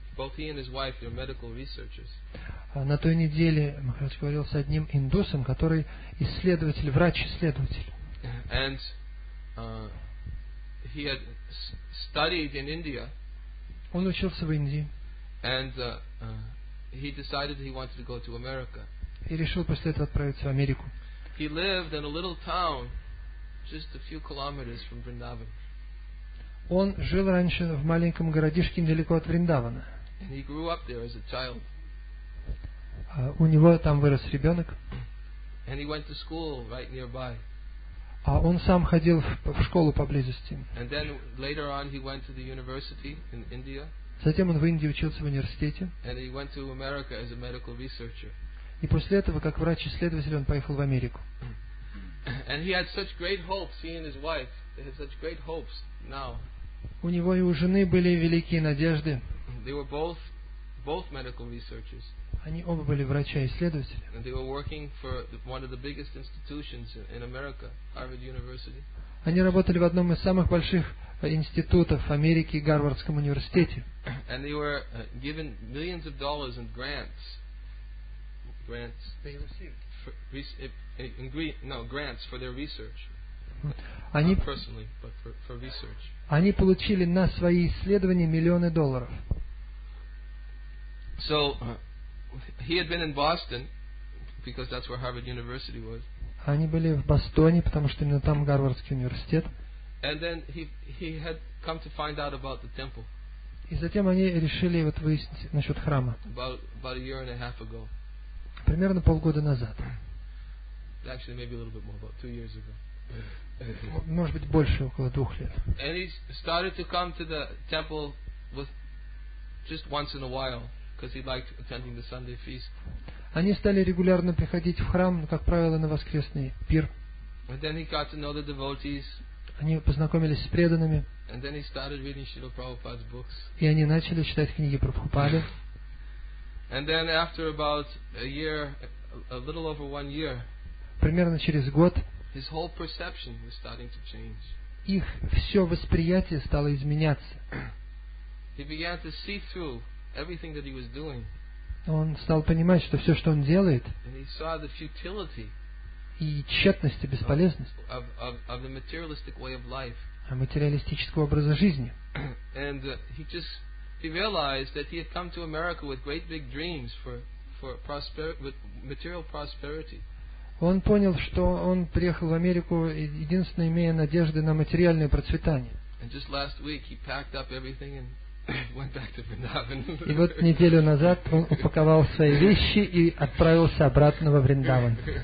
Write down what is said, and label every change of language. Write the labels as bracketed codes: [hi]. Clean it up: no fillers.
[en] Both he and his wife are medical researchers. [ru] На той неделе Махарадж говорил с одним индусом, который исследователь, врач-исследователь. [en] And he had studied in India. [ru] Он учился в Индии. [en] And he decided he wanted to go to America. [ru] И решил после этого отправиться в Америку. [en] He lived in a little town just a few kilometers from Vrindavan. [ru] Он жил раньше в маленьком городишке недалеко от Вриндавана. [en] And he grew up there as a child. [ru] У него там вырос ребенок. [en] And he went to school right nearby. [ru] А он сам ходил в школу поблизости. [en] And then later on he went to the university in India. [ru] Затем он в Индии учился в университете. [en] And he went to America as a medical researcher. [ru] И после этого, как врач-исследователь, он поехал в Америку. [en] And he had such great hopes, he and his wife, they had such great hopes now. [ru] У него и у жены были великие надежды. [en] They were both medical researchers. [ru] Они оба были врача-исследователи. [en] And they were working for one of the biggest institutions in America, Harvard University. [ru] Они работали в одном из самых больших институтов Америки, Гарвардском университете. [en] And they were given millions of dollars in grants. Grants. They received. Grants for their research. [ru] Они, [en] not personally, but for research. [ru] Они получили на свои исследования миллионы долларов. [en] So, he had been in Boston because that's where Harvard University was. [ru] Они были в Бостоне, потому что именно там Гарвардский университет. [en] And then he had come to find out about the temple. [ru] И затем они решили вот выяснить насчет храма. [en] About a year and a half ago. [ru] Примерно полгода назад. [en] Actually, maybe a little bit more, about 2 years ago. [ru] Может быть, больше, около 2 лет. [en] And he started to come to the temple with just once in a while. Because he liked attending the Sunday feast. [ru] Они стали регулярно приходить в храм, как правило, на воскресный пир. [en] And then he got to know the devotees. [ru] Они познакомились с преданными. [en] And then he started reading Srila Prabhupada's books. [ru] И они начали читать книги Прабхупады. [en] And then after about a year, a little over 1 year, [ru] примерно через год, [en] his whole perception was starting to change. [ru] Их все восприятие стало изменяться. [en] He began to see through. Everything that he was doing. [ru] Он стал понимать, что все, что он делает, [en] and he saw the futility [ru] и тщетность, и бесполезность [en] of the materialistic way of life. [ru] Материалистического образа жизни. [en] And he realized that he had come to America with great big dreams with material prosperity. [ru] Он понял, что он приехал в Америку, единственно имея надежды на материальное процветание. [en] And just last week he packed up everything and went back to Vrindavan. [ru] И вот неделю назад он упаковал свои вещи и отправился обратно во Вриндаван.